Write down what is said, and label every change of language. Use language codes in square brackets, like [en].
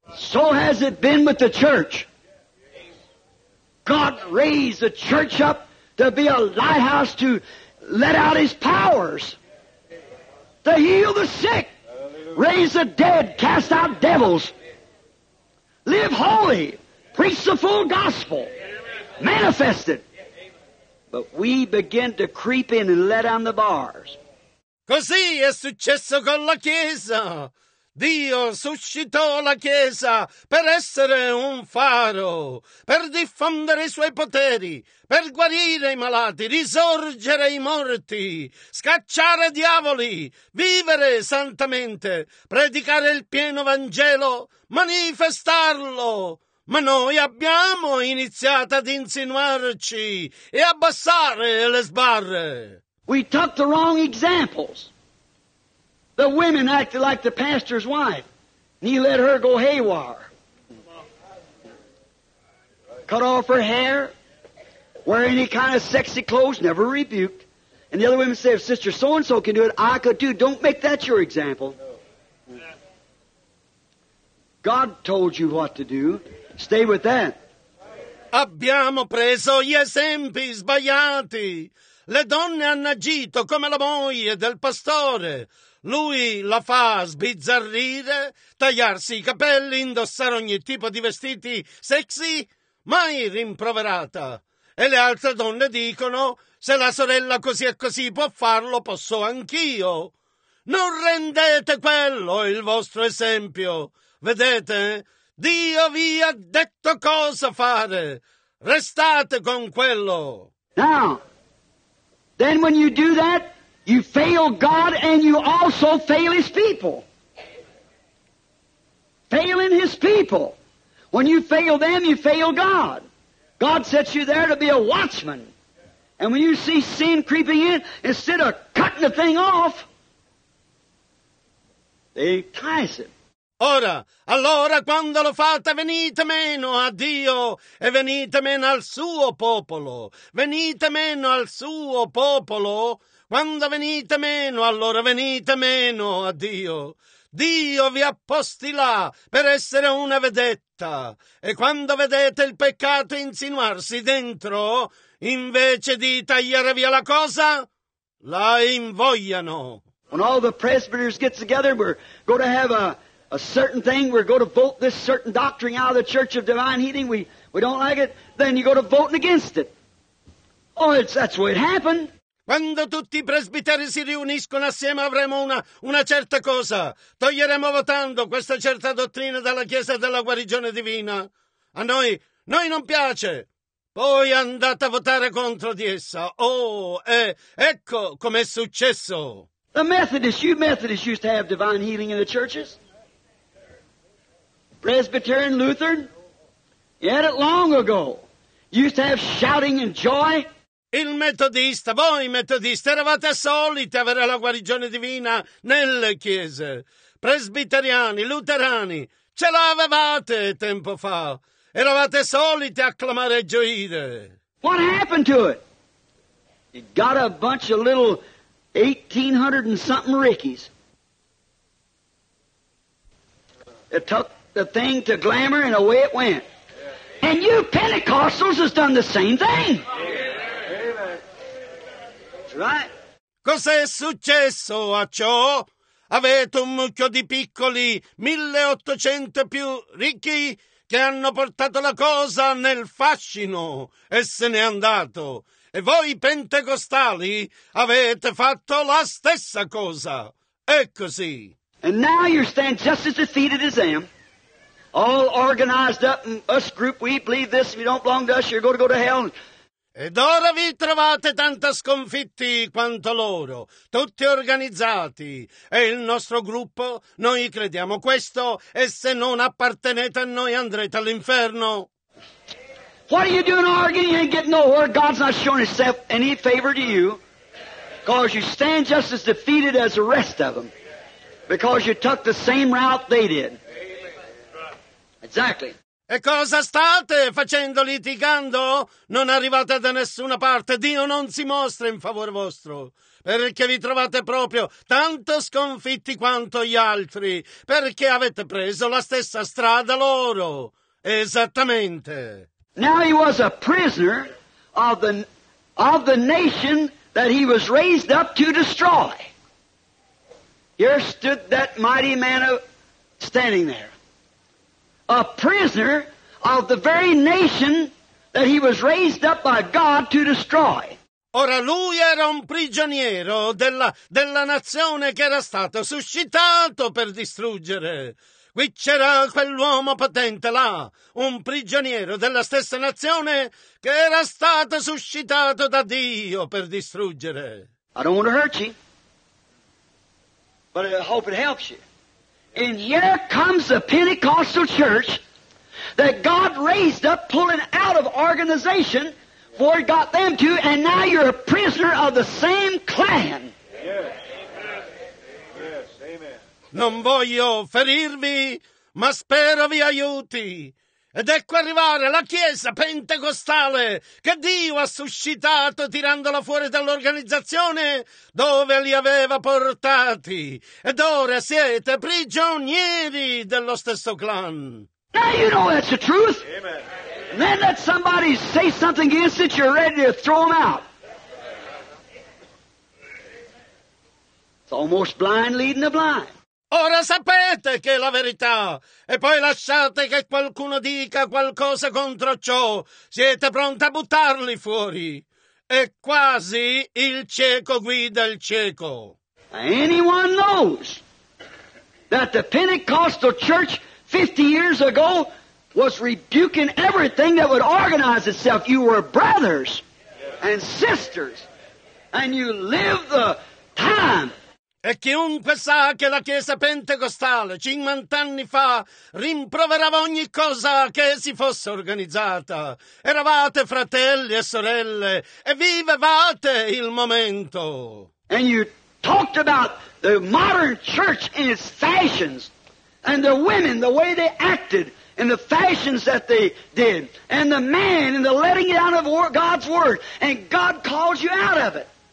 [en] So has it been with the church. God raised the church up to be a lighthouse to let out his powers, to heal the sick, raise the dead, cast out devils, live holy, preach the full gospel, manifest it. But we begin to creep in and let down the bars. [it] Così è successo con la Chiesa. Dio suscitò la Chiesa per essere un faro, per diffondere i suoi poteri, per guarire i malati, risorgere i morti, scacciare diavoli, vivere santamente, predicare il pieno Vangelo, manifestarlo. Ma noi abbiamo iniziato ad insinuarci e abbassare le sbarre. [en] We took the wrong examples. The women acted like the pastor's wife, and he let her go haywire. Cut off her hair, wear any kind of sexy clothes, never rebuked. And the other women say, if Sister so-and-so can do it, I could too. Don't make that your example. God told you what to do. Stay with that. [it] Abbiamo preso gli esempi sbagliati. Le donne hanno agito come la moglie del pastore. Lui la fa sbizzarrire, tagliarsi i capelli, indossare ogni tipo di vestiti sexy, mai rimproverata. E le altre donne dicono: se la sorella così e così può farlo, posso anch'io. Non rendete quello il vostro esempio. Vedete? Dio vi ha detto cosa fare. Restate con quello. [en] Now, then when you do that, you fail God and you also fail His people. Failing His people. When you fail them, you fail God. God sets you there to be a watchman. And when you see sin creeping in, instead of cutting the thing off, they tie it. [it] Ora, allora, quando lo fate, venite meno a Dio e venite meno al suo popolo. Venite meno al suo popolo. Quando venite meno, allora venite meno a Dio. Dio vi ha posti là per essere una vedetta. E quando vedete il peccato insinuarsi dentro, invece di tagliare via la cosa, la invogliano. [en] When all the presbyters get together, we're going to have a certain thing. We're going to vote this certain doctrine out of the Church of Divine Healing. We don't like it. Then you go to voting against it. Oh, that's the way it happened. [it] Quando tutti i presbiteri si riuniscono assieme avremo una certa cosa. Toglieremo votando questa certa dottrina dalla Chiesa della guarigione divina. A noi non piace. Poi andate a votare contro di essa. Ecco com'è successo. [en] The Methodists, you Methodists used to have divine healing in the churches. Presbyterian, Lutheran. You had it long ago. You used to have shouting and joy. [it] Il metodista, voi metodisti, eravate soliti avere la guarigione divina nelle chiese. Presbiteriani, luterani, ce l'avevate tempo fa. Eravate soliti acclamare e gioire. [en] What happened to it? It got a bunch of little 1800 and something rickies. It took the thing to glamour and away it went. And you Pentecostals has done the same thing. Right. [it] Cos'è successo a ciò? Avete un mucchio di piccoli 1800 più ricchi che hanno portato la cosa nel fascino e se n'è andato. E voi pentecostali avete fatto la stessa cosa. È così. [en] And now you stand just as defeated as them. All organized up in us group, we believe this, if you don't belong to us, you're going to go to hell. [it] Ed ora vi trovate tanto sconfitti quanto loro, tutti organizzati. E il nostro gruppo, noi crediamo questo, e se non appartenete a noi andrete all'inferno. [en] What are you doing arguing? You ain't getting nowhere. God's not showing himself any favor to you. Because you stand just as defeated as the rest of them. Because you took the same route they did. Exactly. [it] E cosa state facendo litigando? Non arrivate da nessuna parte. Dio non si mostra in favore vostro. Perché vi trovate proprio tanto sconfitti quanto gli altri. Perché avete preso la stessa strada loro. Esattamente. [en] Now he was a prisoner of the nation that he was raised up to destroy. Here stood that mighty man standing there. A prisoner of the very nation that he was raised up by God to destroy. [it] Ora lui era un prigioniero della nazione che era stato suscitato per distruggere. Qui c'era quell'uomo potente là, un prigioniero della stessa nazione che era stato suscitato da Dio per distruggere. [en] I don't want to hurt you, but I hope it helps you. And here comes the Pentecostal church that God raised up, pulling out of organization where it got them to, and now you're a prisoner of the same clan. Yes. Yes. Amen. [it] Non voglio ferirvi, ma spero vi aiuti. Ed ecco arrivare la Chiesa Pentecostale che Dio ha suscitato tirandola fuori dall'organizzazione dove li aveva portati. Ed ora siete prigionieri dello stesso clan. [en] Now you know that's the truth. Amen. Then let somebody say something against it, you're ready to throw them out. It's almost blind leading the blind. [it] Ora sapete che è la verità, e poi lasciate che qualcuno dica qualcosa contro ciò. Siete pronti a buttarli fuori? E quasi il cieco guida il cieco. [en] Anyone knows that the Pentecostal church 50 years ago was rebuking everything that would organize itself. You were brothers and sisters, and you live the time. [it] E chiunque sa che la Chiesa Pentecostale 50 anni fa rimproverava ogni cosa che si fosse organizzata. Eravate fratelli e sorelle e vivevate il momento. [en] And you talked about the modern church and its fashions and the women, the way they acted and the fashions that they did and the man and the letting out of God's word, and God calls you out of it.